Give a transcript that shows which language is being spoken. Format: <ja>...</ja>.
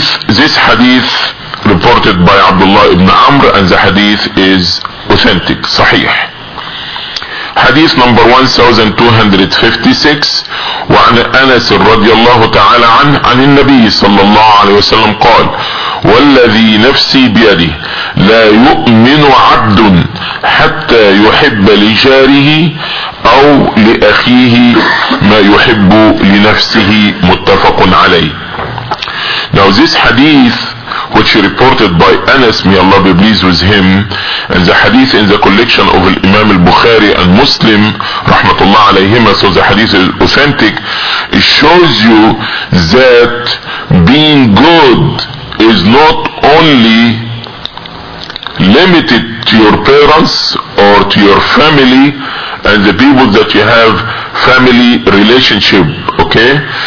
<en>This hadith reported by Abdullah ibn Amr, and the hadith is authentic, sahih. Hadith number 1256.</en> <ar>وعن أنس رضي الله تعالى عنه عن النبي صلى الله عليه وسلم قال والذي نفسي بيده لا يؤمن عبد حتى يحب لجاره أو لأخيه ما يحب لنفسه. متفق عليه.</ar> <en>Now this hadith, which reported by Anas, may Allah be pleased with him, and the hadith in the collection of Imam al-Bukhari and Muslim, rahmatullah alayhima, so the hadith is authentic, it shows you that being good is not only limited to your parents or to your family and the people that you have family relationship, okay?</en>